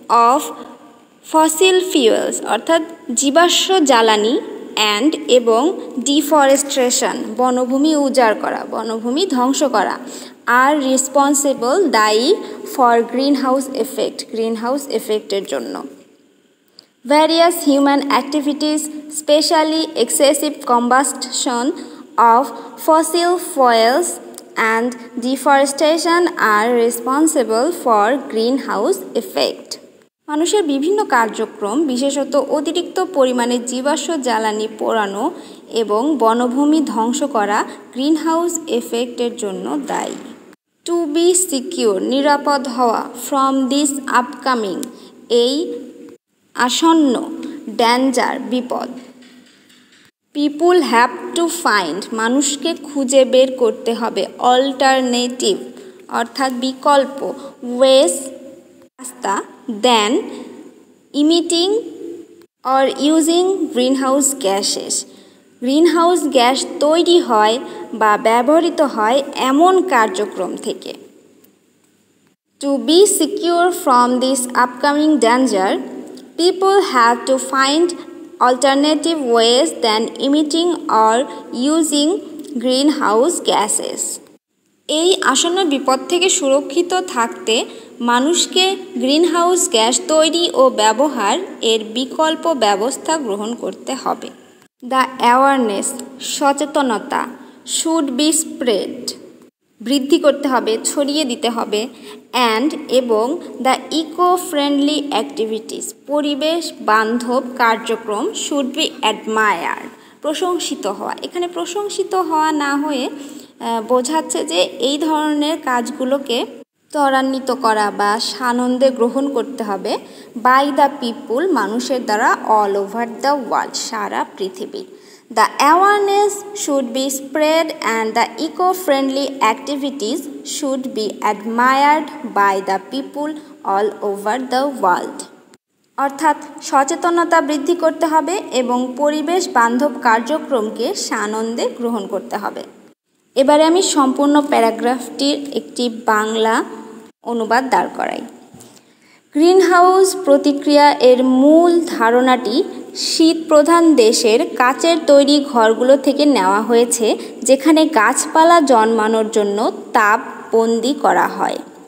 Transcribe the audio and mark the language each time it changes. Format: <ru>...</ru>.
<en>of fossil fuels</en> <bn>অর্থাৎ জীবাশ্ম জ্বালানি অ্যান্ড এবং ডিফরেস্ট্রেশন বনভূমি উজাড় করা, বনভূমি ধ্বংস করা আর রেসপন্সিবল দায়ী</bn> <en>for green house</en> <bn>এফেক্টের জন্য।</bn> <en>Various human activities, specially excessive combustion of fossil fuels and deforestation are responsible for greenhouse effect.</en> <bn>মানুষের বিভিন্ন কার্যক্রম, বিশেষত অতিরিক্ত পরিমাণে জীবাশ্ম জ্বালানি পোড়ানো এবং বনভূমি ধ্বংস করা গ্রিনহাউস এফেক্টের জন্য দায়ী।</bn> <en>to be secure,</en> <bn>নিরাপদ হওয়া</bn> <en>from this upcoming,</en> <bn>এই আসন্ন</bn> <en>Danger বিপদ। People have to find,</en> <bn>মানুষকে খুঁজে বের করতে হবে অল্টারনেটিভ অর্থাৎ বিকল্প ওয়েস রাস্তা</bn> <en>then emitting or using greenhouse gases,</en> <bn>greenhouse gas তৈরি হয় বা ব্যবহৃত হয় এমন কার্যক্রম থেকে।</bn> <en>To be secure from this upcoming danger people have to find alternative ways than emitting or using greenhouse gases.</en> <bn>এই আসন্ন বিপদ থেকে সুরক্ষিত থাকতে মানুষকে গ্রিনহাউস গ্যাস তৈরি ও ব্যবহার এর বিকল্প ব্যবস্থা গ্রহণ করতে হবে।</bn> <en>the awareness,</en> <bn>সচেতনতা</bn> <en>should be spread,</en> <bn>বৃদ্ধি করতে হবে, ছড়িয়ে দিতে হবে অ্যান্ড এবং</bn> <en>the eco friendly activities,</en> <bn>পরিবেশ বান্ধব কার্যক্রম</bn> <en>should be admired,</en> <bn>প্রশংসিত হওয়া। এখানে প্রশংসিত হওয়া না হয়ে বোঝাচ্ছে যে এই ধরনের কাজগুলোকে ত্বরান্বিত করা বা সানন্দে গ্রহণ করতে হবে</bn> <en>by the people,</en> <bn>মানুষের দ্বারা</bn> <en>all over the world,</en> <bn>সারা পৃথিবীর।</bn> <en>The awareness should be spread and the eco-friendly activities should be admired by the people all over the world.</en> <bn>অর্থাৎ সচেতনতা বৃদ্ধি করতে হবে এবং পরিবেশ বান্ধব কার্যক্রমকে সানন্দে গ্রহণ করতে হবে। এবারে আমি সম্পূর্ণ প্যারাগ্রাফটির একটি বাংলা অনুবাদ দাঁড় করাই। গ্রিনহাউস প্রতিক্রিয়া এর মূল ধারণাটি শীত প্রধান দেশের কাচের তৈরি ঘরগুলো থেকে নেওয়া হয়েছে যেখানে গাছপালা জন্মানোর জন্য তাপ বন্দি করা হয়।</bn>